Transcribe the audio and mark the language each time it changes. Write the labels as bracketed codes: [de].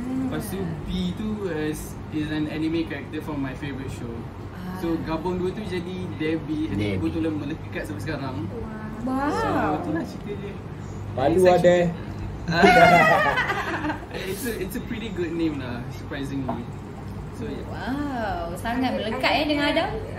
[ms] Lepas tu B tu [en] is an anime character from my favorite show. [ms] So gabung dua tu jadi Debbie. Dan aku tu lah melekat sampai sekarang. Wow. So tu lah cerita dia. Malu lah Deh. [en] It's a pretty good name lah, surprisingly. So yeah. [ms] Wow, sangat melekat dengan Adam.